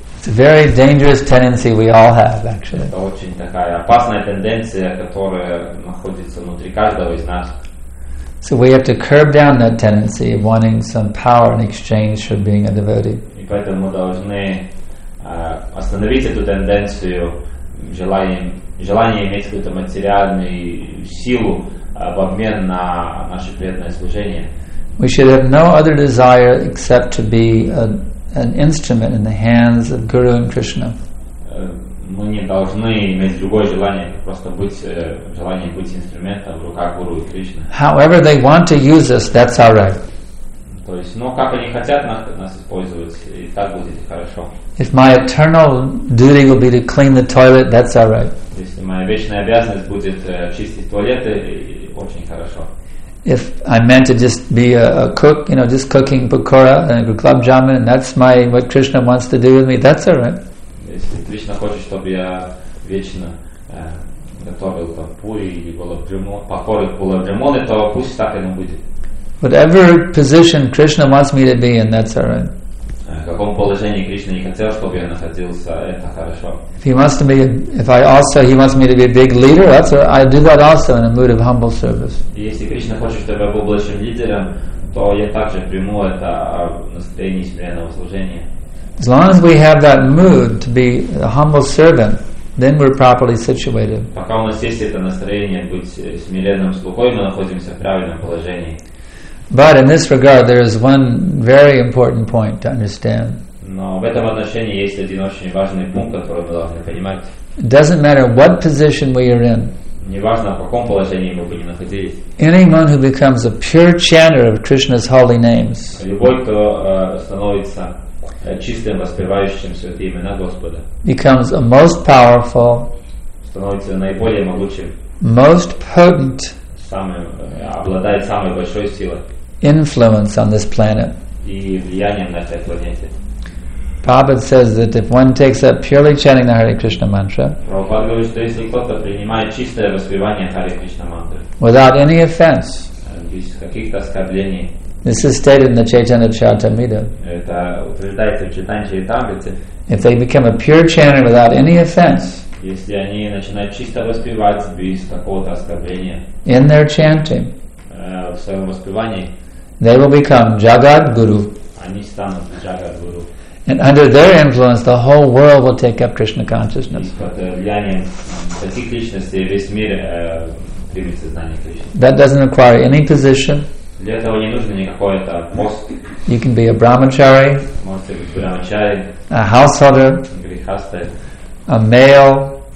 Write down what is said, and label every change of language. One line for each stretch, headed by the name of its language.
English: It's a very dangerous tendency we all have, actually.
Russian: Это очень такая опасная тенденция, которая находится внутри каждого из нас.
English: So we have to curb down that tendency of wanting some power in exchange for being a devotee.
Russian: И поэтому мы должны остановить эту тенденцию желание иметь какую-то материальную силу в обмен на наше преданное служение.
English: We should have no other desire except to be an instrument in the hands of Guru and Krishna.
Russian: Мы не должны иметь другое желание, просто желание быть инструментом в руках Гуру и Кришны.
English: However they want to use us, that's all right.
Russian: То есть, как они хотят нас использовать, и так будет хорошо.
English: If my eternal duty will be to clean the toilet, that's all right.
Russian: Если моя вечная обязанность будет чистить туалеты, очень хорошо.
English: if I'm meant to just be a cook, you know, just cooking pakora and gulab jamun, and that's my what Krishna wants to do with me, that's all right.
Russian: Если Кришна хочет, чтобы я вечно готовил пури и гулаб джамун, пакора и гулаб джамун, то пусть так оно будет.
English: Whatever position Krishna wants me to be in, that's all right.
Russian: В каком положении Кришна не хотел, чтобы я находился, это хорошо.
English: If he wants to be, if I also, he wants me to be a big leader, that's all, I do that also in a mood of humble service.
Russian: Если Кришна хочет, чтобы я был большим лидером, то я также приму это в настроении смиренного служения.
English: As long as we have that mood to be a humble servant, then we're properly situated.
Russian: Пока у нас есть это настроение быть смиренным слугой, мы находимся в правильном положении.
English: But in this regard, there is one very important point to understand.
Russian: Но в этом отношении есть один очень важный пункт, который мы должны понимать.
English: It doesn't matter what position we are in.
Russian: Не важно, в каком положении мы будем находиться.
English: Anyone who becomes a pure chanter of Krishna's holy names.
Russian: Любой, кто становится чистым воспевающим святые имена Господа.
English: Becomes a most powerful.
Russian: Становится наиболее могучим.
English: Most potent.
Russian: Обладает самой большой силой.
English: Influence on this planet.
Russian: И влиянием на этой планете.
English: Prabhupada says that if one takes up purely chanting the Hare Krishna mantra,
Russian: Prabhupada говорит, что если кто-то принимает чистое воспевание Hare Krishna mantra,
English: without any offense,
Russian: без каких-то оскорблений,
English: this is stated in the Chaitanya Charitamrita.
Russian: Это утверждается в Chaitanya Charitamrita.
English: If they become a pure chanter without any offense,
Russian: если они начинают чисто воспевать без какого-то оскорбления,
English: in their chanting,
Russian: в своем воспевании,
English: they will become Jagat Guru.
Russian: Они станут Jagat Guru.
English: And under their influence, the whole world will take up Krishna consciousness.
Russian: Под влиянием таких личностей весь мир примет сознание Кришны.
English: That doesn't require any position.
Russian: Для этого не нужно никакой это пост.
English: You can be a brahmachari.
Russian: Можете быть брахмачари.
English: A householder.
Russian: Грихаста.
English: A male.